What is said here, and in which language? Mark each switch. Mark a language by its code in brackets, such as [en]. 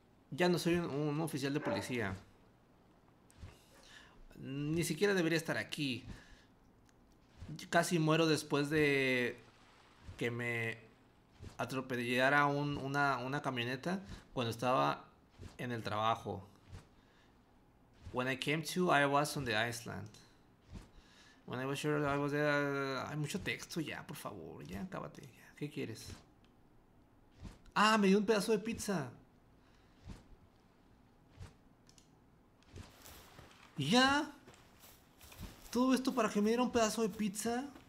[es] Ya no soy un oficial de policía. Ni siquiera debería estar aquí. Casi muero después de. que me atropellara una camioneta cuando estaba en el trabajo. [en] When I came to, I was on the island. When I was sure I was there. [es] Hay mucho texto ya, por favor, ya, cábate. ¿Qué quieres? Ah, me dio un pedazo de pizza. ¿Ya? ¿Todo esto para que me diera un pedazo de pizza?